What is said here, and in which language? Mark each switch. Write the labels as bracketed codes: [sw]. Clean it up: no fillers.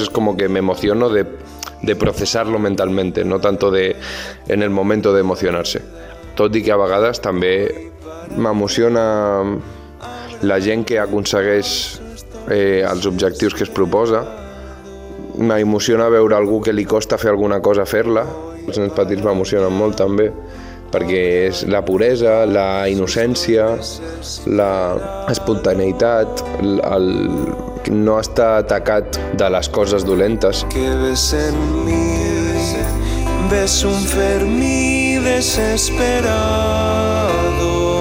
[es] Es como que me emociono de procesarlo mentalmente, no tanto de en el momento de emocionarse. [ca] Tot i que a vegades també m'emociona la gent que aconsegueix els objectius que es proposa. M'emociona veure algú que li costa fer alguna cosa fer-la. Els nens petits m'emocionen molt també, perquè és la puresa, la innocència, la espontaneïtat, el no està atacat de les coses dolentes. [es] Que ves en mi, ves un Fermi desesperado.